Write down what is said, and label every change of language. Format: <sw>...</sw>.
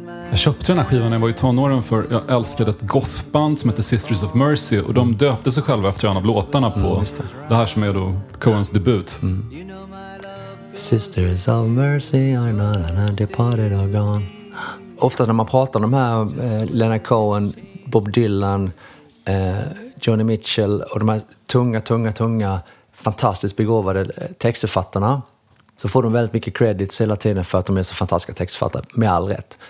<sv>Jag köpte den här skivan när jag var i tonåren, för jag älskade ett gothband som heter Sisters of Mercy, och de döpte sig själva efter en av låtarna på det här som är då Coens debut.</sv> <en>Sisters of Mercy are not an departed or gone.</en> <sv>Ofta när man pratar om de här, Leonard Cohen, Bob Dylan, Joni Mitchell och de här tunga fantastiskt begåvade textförfattarna, så får de väldigt mycket credits hela tiden för att de är så fantastiska textförfattare, med all rätt.</sv>